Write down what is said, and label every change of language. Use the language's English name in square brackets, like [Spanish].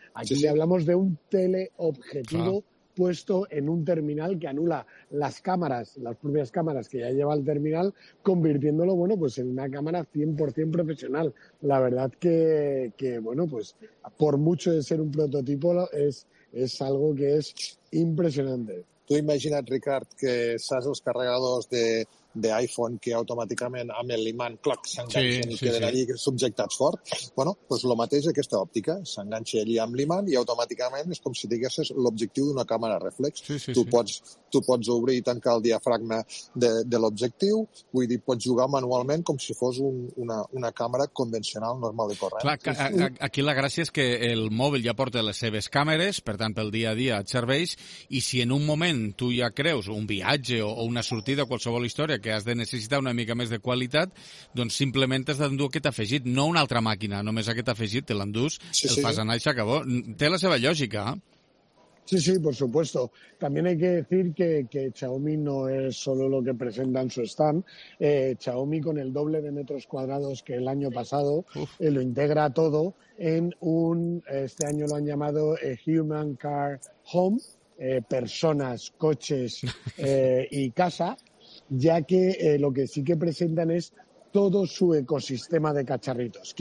[Spanish] Aquí sí, sí. Le hablamos de un teleobjetivo puesto en un terminal que anula las cámaras, las propias cámaras que ya lleva el terminal, convirtiéndolo, bueno, pues en una cámara 100% profesional. La verdad que bueno, pues por mucho de ser un prototipo, es algo que es impresionante. [Catalan] Tú imagina't, Ricard, que saps els carregadors de iPhone que automàticament amb l'imant cloc s'enganxen i queden allí subjectats fort. Bueno, pues lo mateix aquesta òptica, s'enganxa allí amb l'imant i automàticament és com si diguessis l'objectiu d'una càmera reflex. Tu pots obrir i tancar el diafragma de l'objectiu, vull dir, pots jugar manualment com si fos una càmera convencional, normal i corrent. Clar, aquí la gràcia és que el mòbil ja porta les seves càmeres, per tant, pel dia a dia et serveix, i si en un moment tu ja creus un viatge o una sortida o qualsevol història que has de necessitar una mica més de qualitat, doncs simplement has d'endur aquest afegit, no una altra màquina, només aquest afegit, te l'endús, fas anar i s'acabó. Té la seva lògica. [Spanish] Sí, sí, por supuesto. También hay que decir que Xiaomi no es solo lo que presenta en su stand. Xiaomi, con el doble de metros cuadrados que el año pasado, lo integra todo en un, este año lo han llamado Human Car Home, personas, coches y casa, ya que lo que sí que presentan es todo su ecosistema de cacharritos.